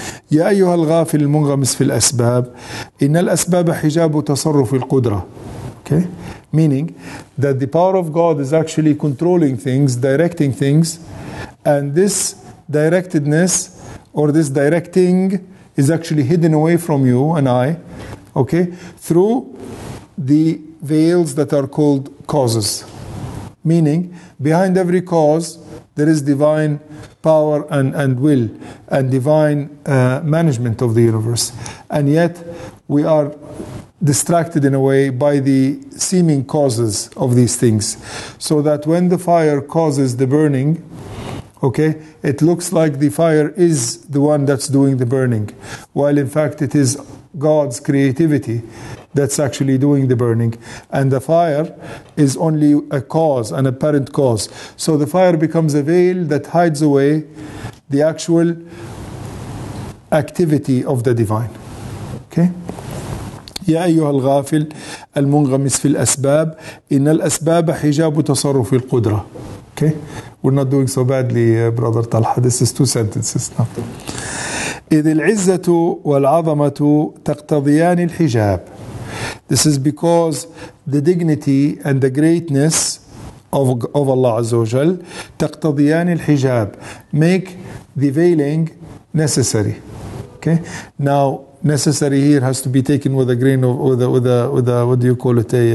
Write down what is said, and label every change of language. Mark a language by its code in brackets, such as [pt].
[ar] يا أيها الغافل المنغمس في الأسباب إن الأسباب حجاب تصرف القدرة. [en] Okay, meaning that the power of God is actually controlling things, directing things, and this directedness or this directing is actually hidden away from you and I, okay, through the veils that are called causes. Meaning, behind every cause, there is divine power and will and divine management of the universe. And yet, we are distracted in a way by the seeming causes of these things. So that when the fire causes the burning, okay, it looks like the fire is the one that's doing the burning. While in fact, it is God's creativity that's actually doing the burning. And the fire is only a cause, an apparent cause. So the fire becomes a veil that hides away the actual activity of the divine. Okay? [ar] يا أيها الغافل المنغمس في الأسباب إن الأسباب حجاب تصرف القدرة. [en] Okay? We're not doing so badly, brother Talha. This is two sentences now. [ar] إذ العزة والعظمة تقتضيان الحجاب. [en] This is because the dignity and the greatness of Allah Azza wa Jal [ar] تقتضيان الحجاب, [en] make the veiling necessary. Okay? Now, necessary here has to be taken with a grain of, with a what do you call it?